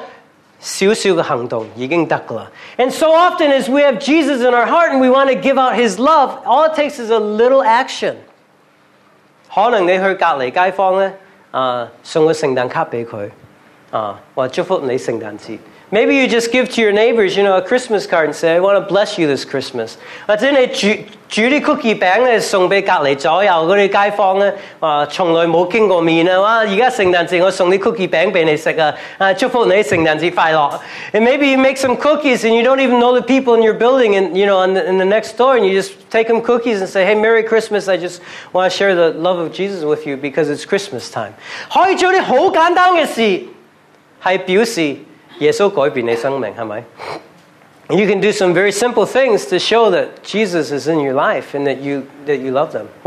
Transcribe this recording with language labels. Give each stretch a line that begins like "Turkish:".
Chinese: 我们是很多事，我们要以耶稣的生命给我们的爱心，是一个小小的行动，已经得了。
English: And so often as we have Jesus in our heart and we want to give out His love, all it takes is a little action.
Chinese: 可能你去隔壁街坊呢，送个圣诞卡俾佢，话祝福你圣诞节。
English: Maybe you just give to your neighbors, you know, a Christmas card and say, I want to bless you this Christmas.
Chinese: 或者你煮啲 cookie 饼咧，送俾隔篱左右嗰啲街坊咧，从来冇见过面啊，哇！而家圣诞节我送啲 cookie 饼俾你食啊，祝福你圣诞节快乐。
English: And maybe you make some cookies and you don't even know the people in your building and you know in the next door and you just take them cookies and say, hey, Merry Christmas, I just want to share the love of Jesus with you because it's Christmas time.
Chinese: 可以做啲好简单嘅事，系表示耶稣改变你生命，系咪？
English: You can do some very simple things to show that Jesus is in your life and that you love them.